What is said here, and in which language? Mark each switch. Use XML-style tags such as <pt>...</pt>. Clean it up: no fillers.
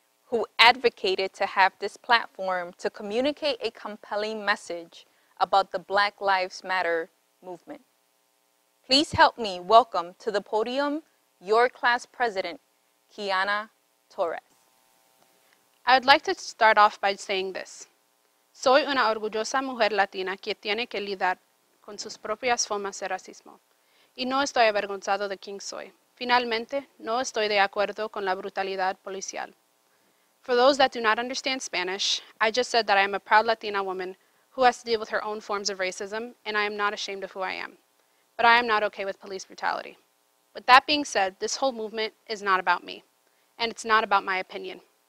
<en>Who advocated to have this platform to communicate a compelling message about the Black Lives Matter movement. Please help me welcome to the podium your class president, Kiana Torres. I would like to start off by saying this.</en> <es>Soy una orgullosa mujer latina que tiene que lidiar con sus propias formas de racismo. Y no estoy avergonzado de quién soy. Finalmente, no estoy de acuerdo con la brutalidad policial.</es> <en>For those that do not understand Spanish, I just said that I am a proud Latina woman who has to deal with her own forms of racism, and I am not ashamed of who I am. But I am not okay with police brutality. With that being said, this whole movement is not about me, and it's not about my opinion.</en>